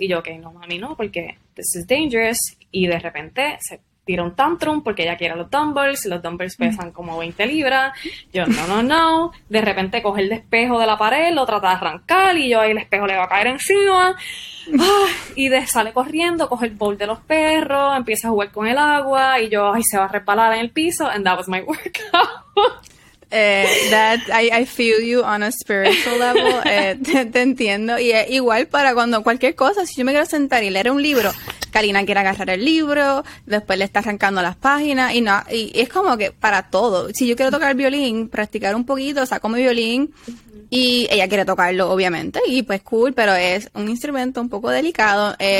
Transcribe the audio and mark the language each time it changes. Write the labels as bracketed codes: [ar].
[es] Y yo, ok, no, mami, no, porque [en] this is dangerous. [es] Y de repente se tira un tantrum porque ella quiere los dumbbells pesan como 20 libras. Yo, no, no, no. De repente coge el espejo de la pared, lo trata de arrancar y yo ahí el espejo le va a caer encima. Y de, sale corriendo, coge el bowl de los perros, empieza a jugar con el agua y yo, ay, se va a resbalar en el piso. [en] And that was my workout. That I feel you on a spiritual level. [es] Te entiendo. Y es igual para cuando cualquier cosa, si yo me quiero sentar y leer un libro, Karina quiere agarrar el libro, después le está arrancando las páginas y no, y es como que para todo. Si yo quiero tocar violín, practicar un poquito, saco mi violín y ella quiere tocarlo, obviamente, y pues cool, pero es un instrumento un poco delicado.